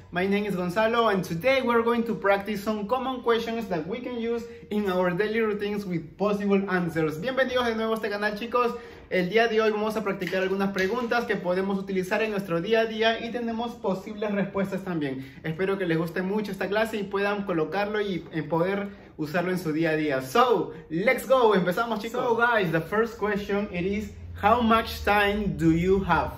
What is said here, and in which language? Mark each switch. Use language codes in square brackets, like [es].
[en] My name is Gonzalo and today we're going to practice some common questions that we can use in our daily routines with possible answers. [es] Bienvenidos de nuevo a este canal, chicos. El día de hoy vamos a practicar algunas preguntas que podemos utilizar en nuestro día a día y tenemos posibles respuestas también. Espero que les guste mucho esta clase y puedan colocarlo y poder usarlo en su día a día. [en] So, let's go. [es] Empezamos, chicos. [en] So, guys, the first question it is how much time do you have?